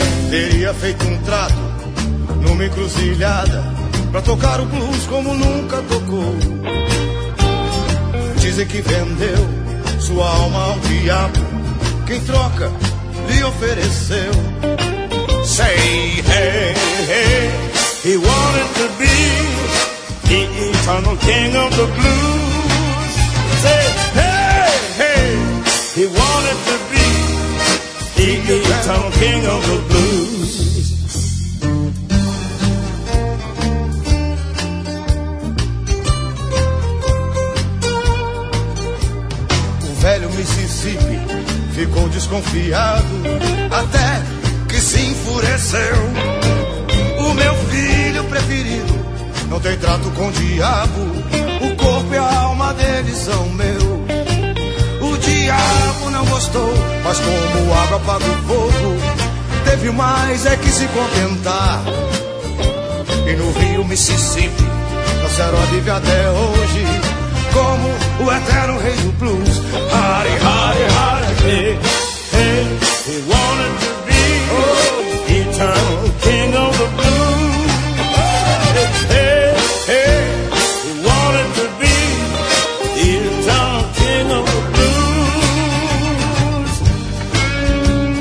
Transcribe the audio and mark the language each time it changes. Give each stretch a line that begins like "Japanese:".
Portuguese: Teria feito um trato numa encruzilhada pra tocar o blues como nunca tocou. Dizem que vendeu sua alma ao diabo, quem troca lhe ofereceu.
English: Say hey hey, he wanted to be the eternal king of the blues. Say hey hey, he wanted to be the eternal king of the blues.
Portuguese: O velho Mississippi ficou desconfiado, até que se enfureceu. O meu filho preferido não tem trato com o diabo, o corpo e a alma dele são meu. O diabo não gostou, mas como água apaga o fogo, teve mais é que se contentar. E no rio Mississippi nosso herói vive até hoje como o eterno rei do blues.
English: Hari, hari, hari, hey, hey, he wanted to be the eternal king of the blues. Hey, hey, he wanted to be the eternal king of the blues.